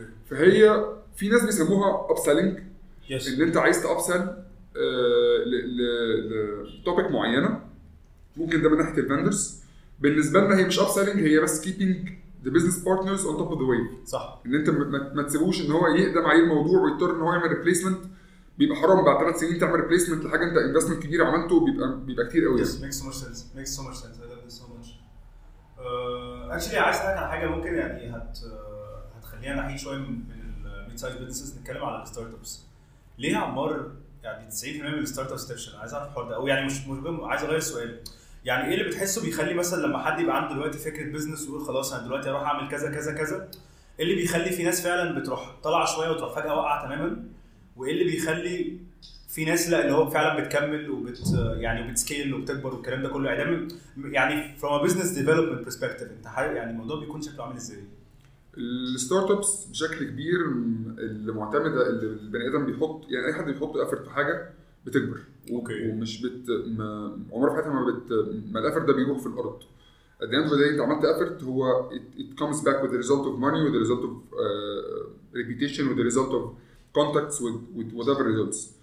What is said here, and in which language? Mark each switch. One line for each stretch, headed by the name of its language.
Arabic: فهي في ناس بيسموها upselling, ان انت عايز تأبسل ل topic معينه. ممكن ده من ناحيه الفندرز. بالنسبه لنا هي مش
English: upselling,
Arabic: هي بس
English: keeping the business partners on top of the wave.
Arabic: صح. ان انت ما تسيبوش ان هو يقدم عليه الموضوع ويضطر ان هو يعمل replacement. بيبقى حرام بعد 3 سنين تعمل replacement لحاجه انت investment كبير عملته, بيبقى كتير قوي.
English: Yes, makes so much sense. I love this so much. Actually,
Arabic: عايز اسالك على حاجه ممكن يعني هتخلينا نحيد شويه من
English: mid size businesses.
Arabic: نتكلم على الستارت ابس. ليه عمار يعني 90% من الستارت ابس تفشل؟ عايز اعرف الحوار ده, او يعني مش عايز اغير السؤال. يعني ايه اللي بتحسه بيخلي مثلا لما حد يبقى عنده دلوقتي فكره بزنس ويقول خلاص انا دلوقتي اروح اعمل كذا كذا كذا, ايه اللي بيخلي في ناس فعلا بتروح طلع شويه وتروح فجاه وقع تماما, وايه اللي بيخلي في ناس لا اللي هو فعلا بتكمل يعني بتسكيل وبتكبر والكلام ده كله؟ ادم يعني
English: from a business development perspective
Arabic: انت يعني الموضوع بيكون شكله عامل ازاي؟ الستارت ابس بشكل كبير المعتمده اللي البني ادم بيحط, يعني اي حد بيحط افورت في حاجه بتكبر. أوكي. ومش عمر في حياتها ما الافرت ده بيروح في الارض. قدام بدايه انت عملت افرت, هو
English: it comes back with the result of money, with the result of reputation, with the result of contacts, with whatever results.